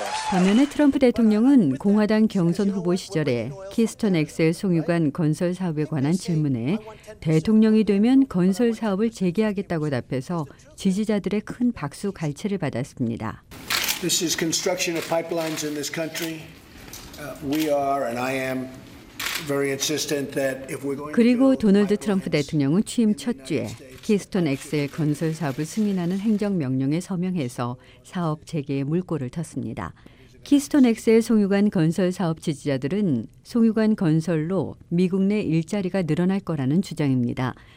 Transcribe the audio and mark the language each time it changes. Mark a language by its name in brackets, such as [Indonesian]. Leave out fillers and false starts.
[Korean] 반면에 트럼프 대통령은 공화당 경선 후보 시절에 키스톤 XL 송유관 건설 사업에 관한 질문에 대통령이 되면 건설 사업을 재개하겠다고 답해서 지지자들의 큰 박수 갈채를 받았습니다. [English] This is construction of pipelines in this country. We are and I am very insistent that if we're going [Korean] 그리고 도널드 트럼프 대통령은 취임 첫 주에 키스톤 XL 건설 사업을 승인하는 행정명령에 서명해서 사업 재개에 물꼬를 텄습니다. 키스톤 XL 송유관 건설 사업 지지자들은 송유관 건설로 미국 내 일자리가 늘어날 거라는 주장입니다.